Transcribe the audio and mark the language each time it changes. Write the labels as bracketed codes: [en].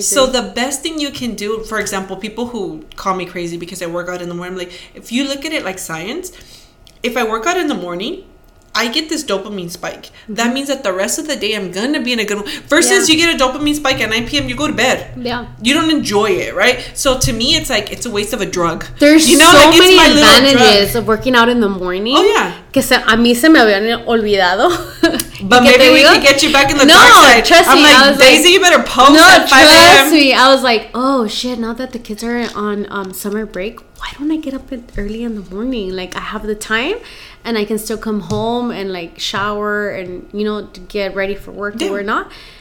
[en] So the best thing you can do, for example, people who call me crazy because I work out in the morning, like, if you look at it like science, if I work out in the morning, I get this dopamine spike. Mm-hmm. That means that the rest of the day I'm going to be in a good mood. Versus you get a dopamine spike at 9 p.m., you go to bed. Yeah. You don't enjoy it, right? So to me, it's like, it's a waste of a drug. There's you know, so like, many advantages of working out in the morning. Oh, yeah. [es] Que se, a mí se me habían olvidado. [en] But maybe we can get you back in the dark side. Trust me. I'm like, Daisy, you better post at 5 a.m. Trust me. I was like, oh, shit, now that the kids are on summer break, why don't I get up early in the morning? Like, I have the time and I can still come home and, like, shower and, you know, get ready for work or not.